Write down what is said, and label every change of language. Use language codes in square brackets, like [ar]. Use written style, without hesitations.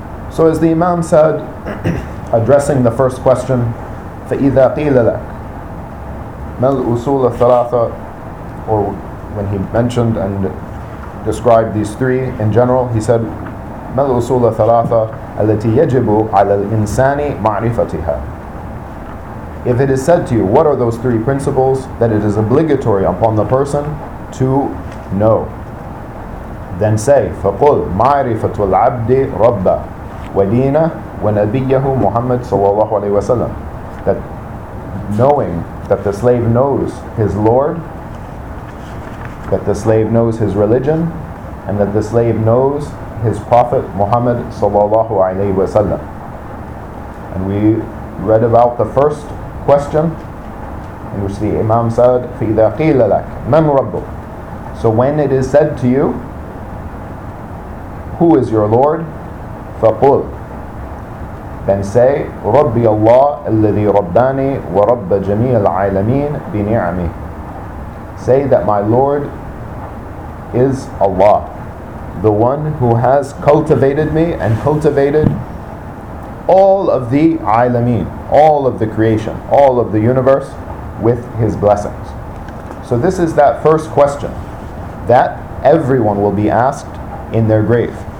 [en] So as the Imam said, addressing the first question, [ar] فَإِذَا قِيلَ لَكَ مَا الْأُصُولَ الثَّلَاثَ, [en] or when he mentioned and described these three in general, he said, [ar] مَا الْأُصُولَ الثَّلَاثَ أَلَّتِي يَجِبُ عَلَى الْإِنسَانِ مَعْرِفَتِهَا. [en] If it is said to you, what are those three principles that it is obligatory upon the person to know? Then say, [ar] فَقُلْ مَعْرِفَةُ الْعَبْدِ رَبَّهُ وَدِينَهُ وَنَبِيَّهُ مُحَمَّدٍ صَلَّى اللَّهُ عَلَيْهِ وَسَلَّمَ. [en] that knowing that the slave knows his Lord, that the slave knows his religion, and that the slave knows his Prophet Muhammad sallallahu alaihi wasallam. And we read about the first question in which the Imam said, [ar] فَإِذَا قِيلَ لَكَ مَنْ رَبُّكَ. [en] So when it is said to you, who is your Lord? [ar] فَقُلْ. [en] Then say, [ar] رَبِّي اللَّهِ الَّذِي رَبَّانِي وَرَبَّ جَمِيعَ الْعَالَمِينَ بِنِعْمِهِ. [en] Say that my Lord is Allah, the one who has cultivated me and cultivated all of the عالمين, all of the creation, all of the universe with his blessings. So this is that first question that everyone will be asked in their grave.